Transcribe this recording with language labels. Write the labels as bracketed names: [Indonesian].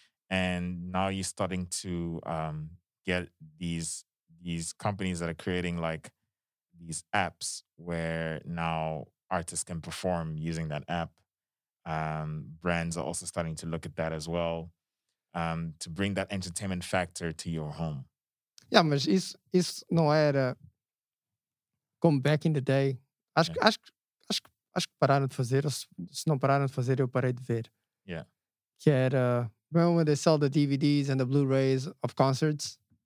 [English] And now you're starting to get these companies that are creating like these apps where now artists can perform using that app. Brands are also starting to look at that as well, to bring that entertainment factor to your home. [Portuguese] Yeah, mas isso não era como [English] back in the day. [Portuguese] Acho que pararam de fazer, ou se não pararam de fazer, eu parei de ver. [English] Yeah. [Portuguese] Que era, [English] remember when they sell the DVDs and the Blu-rays of concerts?